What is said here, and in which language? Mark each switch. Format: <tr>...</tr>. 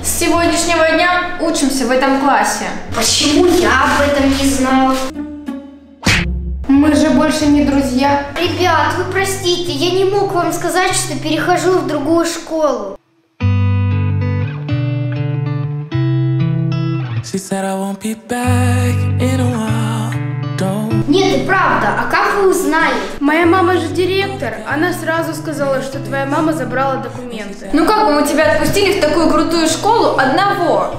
<ru>С сегодняшнего дня учимся в этом классе. Почему я об этом не знала? Мы же больше не друзья. Ребят, вы простите, я не мог вам сказать, что перехожу в другую школу.</ru> <en>She said I won't be back in a while.</en> <ru>Нет, и правда, а как вы узнали? Моя мама же директор, она сразу сказала, что твоя мама забрала документы. Ну как бы мы тебя отпустили в такую крутую школу одного?</ru>